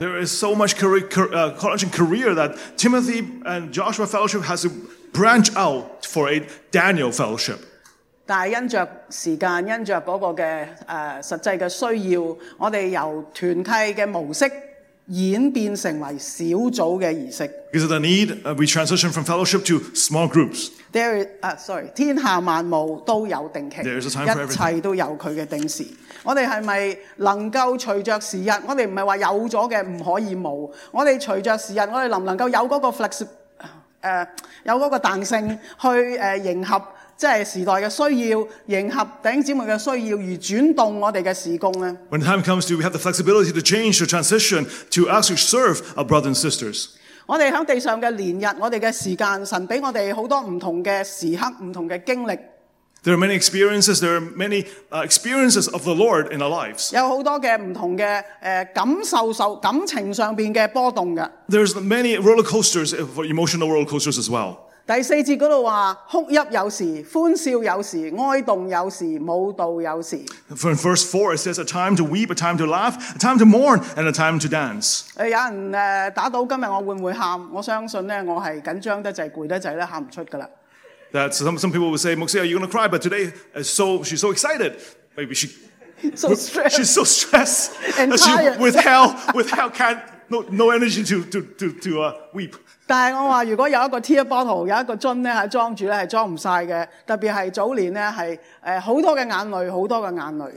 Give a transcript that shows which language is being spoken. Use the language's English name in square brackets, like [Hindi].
[English] There is so much college and career that Timothy and Joshua Fellowship has to branch out for a Daniel Fellowship。 [Cantonese] 但係因著時間，因著嗰個嘅實際嘅需要，我哋由團契嘅模式演變成為小組嘅儀式。 [English] Because of the need, we transition from fellowship to small groups. There is [Cantonese] 天下萬務都有定期， [English] There is a time for [Cantonese] 一切都有佢嘅定時。我哋係咪能夠隨著時日？我哋唔係話有咗嘅唔可以冇。我哋隨著時日，我哋能唔能夠有嗰個 有嗰個彈性去迎合？即係時代嘅需要，迎合弟兄姊妹嘅需要而轉動我哋嘅事工咧。 [English] When time comes, do we have the flexibility to change, to transition, to actually serve our brothers and sisters? [Cantonese] 我哋喺地上嘅年日，我哋嘅時間，神俾我哋好多唔同嘅時刻，唔同嘅經歷。 [English] There are many experiences. There are many experiences of the Lord in our lives. [Cantonese] 有好多嘅唔同嘅感受受感情上邊嘅波動嘅。 [English] There's many roller coasters, emotional roller coasters as well. [Cantonese] 第四節嗰度話：哭泣有時，歡笑有時，哀動有時，舞蹈有時。 [English] From verse 4, it says a time to weep, a time to laugh, a time to mourn, and a time to dance. [Cantonese] 有人打到今日我會唔會喊？我相信咧，我係緊張得滯、攰得滯咧，喊唔出噶啦。 [English] That's some people would say, Moxie, are you gonna cry? But today, she's so excited. Maybe she so stressed. She's so stressed. And tired. She withheld can't no energy to weep. [Cantonese] 但係我話如果有一個 [English] tear bottle， [Cantonese] 有一個樽咧，係裝住咧，係裝唔曬嘅。特別係早年咧，係好多嘅眼淚，好多嘅眼淚。